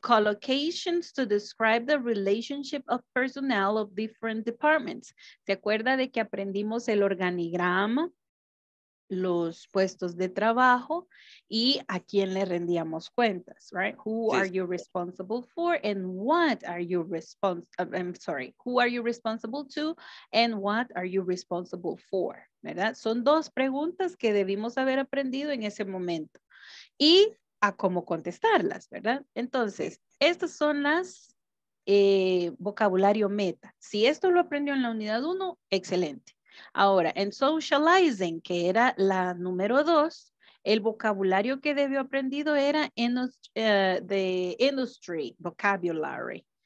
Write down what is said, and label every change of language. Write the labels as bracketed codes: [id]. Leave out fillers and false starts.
[en] Collocations to describe the relationship of personnel of different departments. [es] ¿Se acuerda de que aprendimos el organigrama, los puestos de trabajo y a quién le rendíamos cuentas, right? [en] Who sí. are you responsible for and what are you responsible, I'm sorry, who are you responsible to and what are you responsible for, ¿verdad? [es] Son dos preguntas que debimos haber aprendido en ese momento. Y a cómo contestarlas, ¿verdad? Entonces, estas son las vocabulario meta. Si esto lo aprendió en la unidad 1, excelente. Ahora, en socializing, que era la número 2, el vocabulario que debió aprendido era [en] the industry vocabulary.